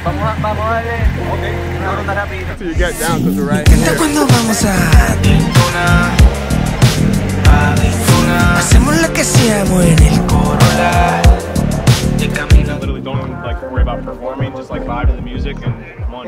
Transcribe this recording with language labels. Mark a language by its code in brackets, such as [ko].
[en] So you get down because we're right here. [es] Cuando vamos a Daytona, a Daytona, hacemos lo que hacíamos en el Corolla. [en] Literally don't even like worry about performing, just like vibe to the music and munch.